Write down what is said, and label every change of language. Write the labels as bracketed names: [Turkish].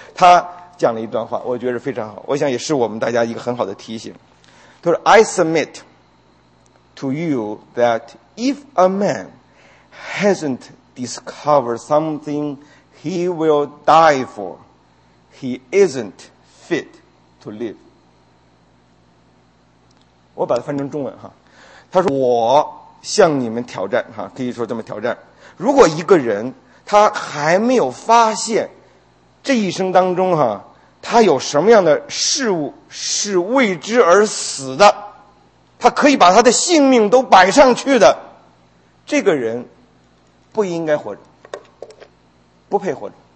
[Chinese] 他讲了一段话，我觉得非常好，我想也是我们大家一个很好的提醒。他说 [English] ：“I submit to you that if a man hasn't discovered something he will die for, he isn't fit to live。” [Chinese] 我把它翻成中文哈，他说我。向你们挑战哈，可以说这么挑战，如果一个人他还没有发现这一生当中哈，他有什么样的事物是为之而死的，他可以把他的性命都摆上去的，这个人不应该活着，不配活着。